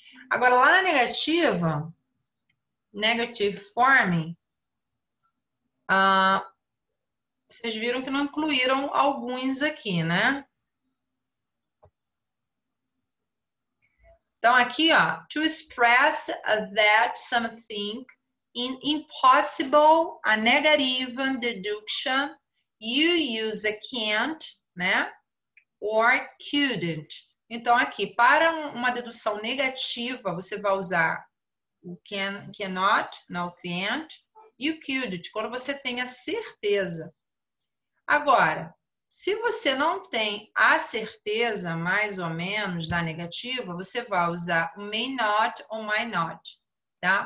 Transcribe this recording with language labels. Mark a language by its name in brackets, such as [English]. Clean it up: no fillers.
[Portuguese] Agora, lá na negativa, [English] negative form, [Portuguese] vocês viram que não incluíram alguns aqui, né? Então, aqui, ó, [English] to express that something in impossible, a negative deduction, you use a can't, né? Or couldn't. [Portuguese] Então, aqui, para uma dedução negativa, você vai usar o can, cannot, não, can't, e o couldn't, quando você tem a certeza. Agora, se você não tem a certeza, mais ou menos, da negativa, você vai usar o may not ou might not, tá?